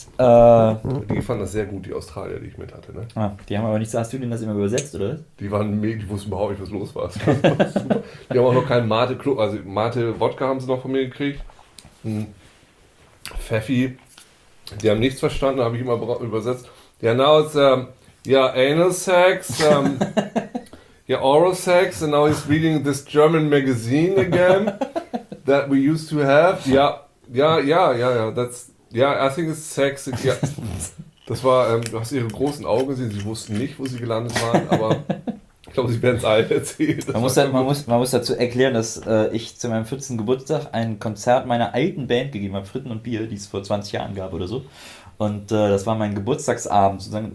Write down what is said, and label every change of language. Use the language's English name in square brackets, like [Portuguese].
[German] Die fanden das sehr gut, die Australier, die ich mit hatte, ne? die haben aber nicht so, hast du denen das immer übersetzt, oder Die waren mega, die wussten überhaupt nicht, was los war. was? Das war super. Die haben auch noch keinen Mate Club, also Mate Wodka haben sie noch von mir gekriegt. Pfeffi. Die haben nichts verstanden, habe ich immer übersetzt. [English] Ja, now it's, ja, anal sex, ja, oral sex, and now he's reading this German magazine again that we used to have. Ja, that's, yeah, I think it's sex. [German] Ja. Das war, du hast ihre großen Augen gesehen, sie wussten nicht, wo sie gelandet waren, aber ich glaube, sie werden es allen erzählen. Man Das muss war sehr gut. dazu erklären, dass ich zu meinem 14. Geburtstag ein Konzert meiner alten Band gegeben habe, Fritten und Bier, die es vor 20 Jahren gab oder so. Und das war mein Geburtstagsabend, sozusagen.